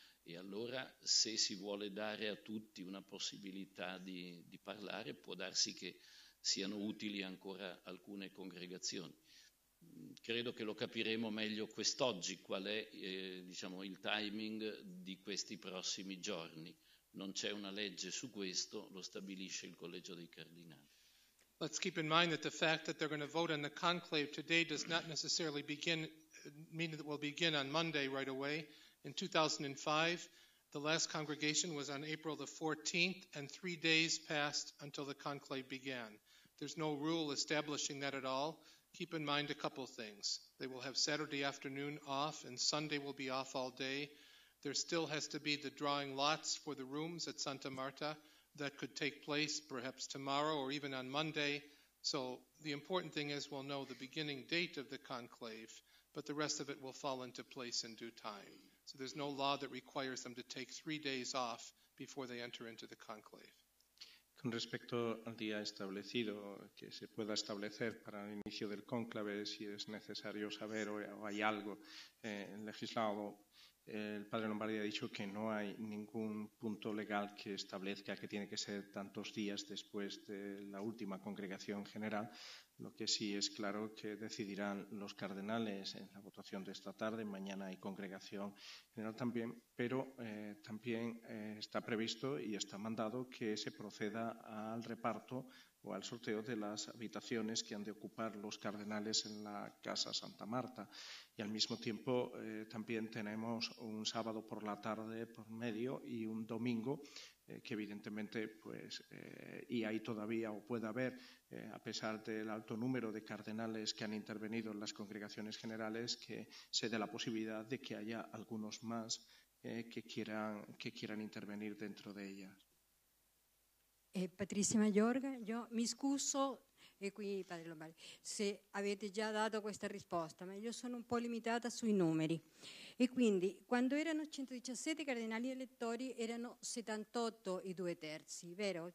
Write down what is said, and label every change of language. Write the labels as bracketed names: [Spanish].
[Italian] E allora, se si vuole dare a tutti una possibilità di parlare, può darsi che siano utili ancora alcune congregazioni. Credo che lo capiremo meglio quest'oggi, qual è diciamo, il timing di questi prossimi giorni. Non c'è una legge su questo, lo stabilisce il Collegio dei Cardinali. [English] Let's keep in mind that the fact that they're going to vote in the conclave today does not necessarily begin, mean that we'll begin on Monday right away. In 2005, the last congregation was on April the 14th, and 3 days passed until the conclave began. There's no rule establishing that at all. Keep in mind a couple things. They will have Saturday afternoon off, and Sunday will be off all day. There still has to be the drawing lots for the rooms at Santa Marta that could take place perhaps tomorrow or even on Monday. So the important thing is we'll know the beginning date of the conclave, but the rest of it will fall into place in due time. So there's no law that requires them to take 3 days off before they enter into the conclave. [Spanish] Con respecto al día establecido, que se pueda establecer para el inicio del cónclave, si es necesario saber o hay algo legislado, el padre Lombardi ha dicho que no hay ningún punto legal que establezca que tiene que ser tantos días después de la última congregación general. Lo que sí es claro que decidirán los cardenales en la votación de esta tarde, mañana hay congregación general también, pero también está previsto y está mandado que se proceda al reparto o al sorteo de las habitaciones que han de ocupar los cardenales en la Casa Santa Marta. Y al mismo tiempo también tenemos un sábado por la tarde por medio y un domingo, que evidentemente, pues, y hay todavía o puede haber, a pesar del alto número de cardenales que han intervenido en las congregaciones generales, que se dé la posibilidad de que haya algunos más que quieran intervenir dentro de ellas. [Italian] Patrizia Maiorga, io mi scuso, e qui Padre Lombardi, se avete già dato questa risposta, ma io sono un po' limitata sui numeri. E quindi, quando erano 117 cardinali elettori, erano 78 i due terzi, vero?